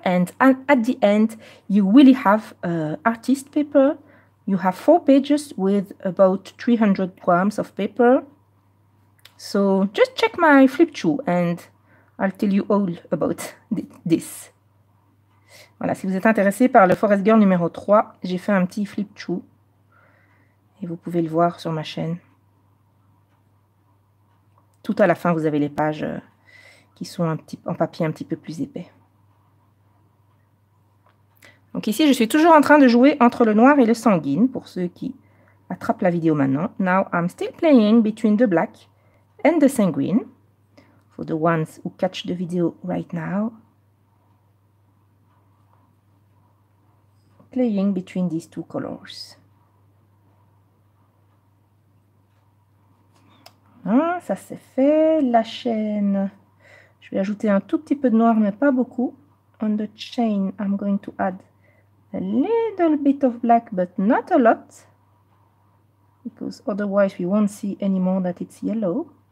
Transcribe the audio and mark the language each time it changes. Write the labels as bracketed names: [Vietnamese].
[English] And at the end, you really have artist paper. You have four pages with about 300 grams of paper. So just check my flip-through and I'll tell you all about this. [French] Voilà, si vous êtes intéressé par le Forest Girl numéro 3, j'ai fait un petit flip-through et vous pouvez le voir sur ma chaîne. Tout à la fin, vous avez les pages qui sont un petit, en papier un petit peu plus épais. Donc ici, je suis toujours en train de jouer entre le noir et le sanguine, pour ceux qui attrapent la vidéo maintenant. [English] Now, I'm still playing between the black and the sanguine, for the ones who catch the video right now. Playing between these two colors. [French] Hein, ça c'est fait. La chaîne, je vais ajouter un tout petit peu de noir, mais pas beaucoup. [English] On the chain, I'm going to add a little bit of black, but not a lot. Because otherwise, we won't see anymore that it's yellow.